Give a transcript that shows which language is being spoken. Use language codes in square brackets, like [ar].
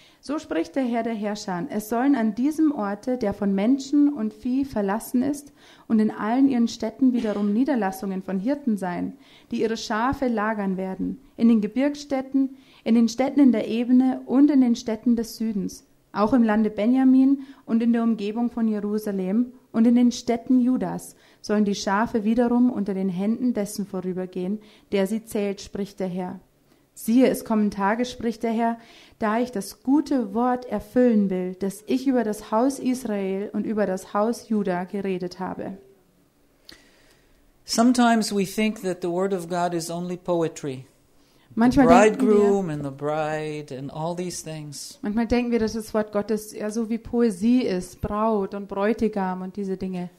[de] So spricht der Herr der Herrscher: Es sollen an diesem Orte, der von Menschen und Vieh verlassen ist, und in allen ihren Städten wiederum Niederlassungen von Hirten sein, die ihre Schafe lagern werden, in den Gebirgsstädten, in den Städten in der Ebene und in den Städten des Südens, auch im Lande Benjamin und in der Umgebung von Jerusalem, und in den Städten Judas sollen die Schafe wiederum unter den Händen dessen vorübergehen, der sie zählt, spricht der Herr. Siehe, es kommen Tage, spricht der Herr, da ich das gute Wort erfüllen will, das ich über das Haus Israel und über das Haus Juda geredet habe. [en] Sometimes we think that the word of God is only poetry. [de] Manchmal [en] the bridegroom and the bride and all these things. [de] Manchmal denken wir, dass das Wort Gottes eher so wie Poesie ist, Braut und Bräutigam und diese Dinge.